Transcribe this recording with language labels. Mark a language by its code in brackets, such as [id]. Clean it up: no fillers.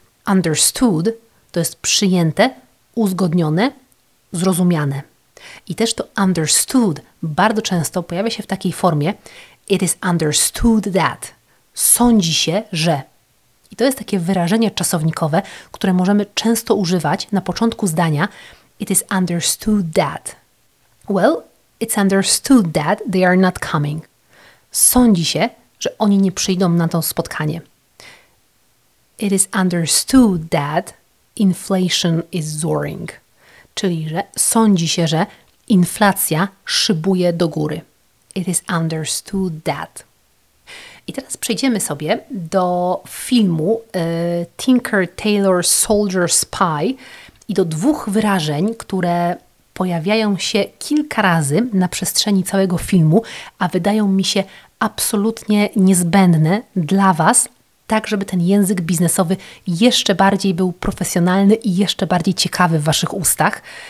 [pl] Understood, to jest przyjęte, uzgodnione, zrozumiane. I też to understood bardzo często pojawia się w takiej formie [en] it is understood that. [pl] Sądzi się, że. I to jest takie wyrażenie czasownikowe, które możemy często używać na początku zdania. [en] It is understood that. Well, it's understood that they are not coming. [pl] Sądzi się, że oni nie przyjdą na to spotkanie. [en] It is understood that inflation is soaring. [pl] Czyli, że sądzi się, że inflacja szybuje do góry. [en] It is understood that. [pl] I teraz przejdziemy sobie do filmu Tinker, Tailor, Soldier, Spy i do dwóch wyrażeń, które pojawiają się kilka razy na przestrzeni całego filmu, a wydają mi się absolutnie niezbędne dla Was, tak żeby ten język biznesowy jeszcze bardziej był profesjonalny i jeszcze bardziej ciekawy w Waszych ustach.